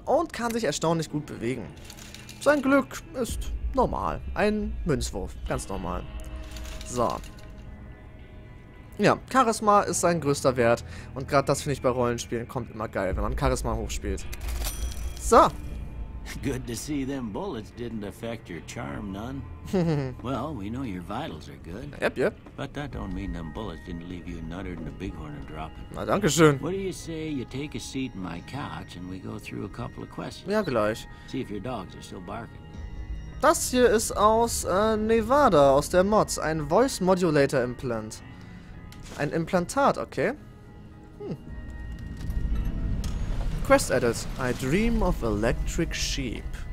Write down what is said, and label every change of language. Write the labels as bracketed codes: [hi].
[de] Und kann sich erstaunlich gut bewegen. Sein Glück ist normal. Ein Münzwurf. Ganz normal. So. Ja, Charisma ist sein größter Wert. Und gerade das finde ich bei Rollenspielen kommt immer geil, wenn man Charisma hochspielt. So. [en] Good to see them bullets didn't affect your charm none. Well, we know your vitals are good. Yep, yep. But that don't mean them bullets didn't leave you nutter than a bighorn and dropping. [de] Na, danke schön. [en] What do you say you take a seat in my couch and we go through a couple of questions? [de] Ja, gleich. [en] See if your dogs are still barking. [de] Das hier ist aus Nevada, aus der Mods. Ein Voice Modulator Implant. Ein Implantat, okay. [en] Quest Edit. I dream of electric sheep.